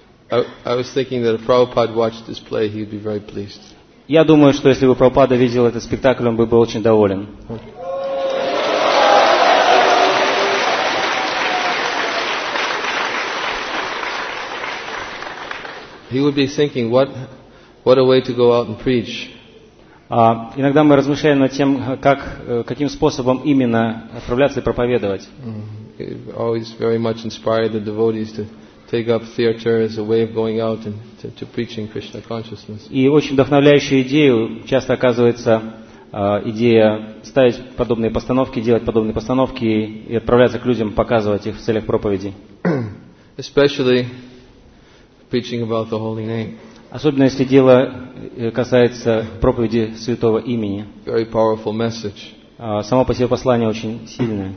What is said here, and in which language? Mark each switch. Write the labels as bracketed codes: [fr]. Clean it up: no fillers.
[en] I was thinking that if Prabhupada watched this play, he'd be very pleased. [ru] Я думаю, что если бы Прабхупада видел этот спектакль, он бы был очень доволен. [en] He would be thinking, what a way to go out and preach. [ru] Иногда мы размышляем над тем, каким способом именно отправляться и проповедовать. [en] Always very much inspired the devotees to take up theater as a way of going out and to preaching Krishna consciousness. [ru] И очень вдохновляющую идею часто оказывается идея ставить подобные постановки, делать подобные постановки и отправляться к людям, показывать их в целях проповеди. [en] Especially preaching about the holy name. [ru] Особенно если дело касается проповеди святого имени. [en] Very powerful message. [ru] Само по себе послание очень сильное.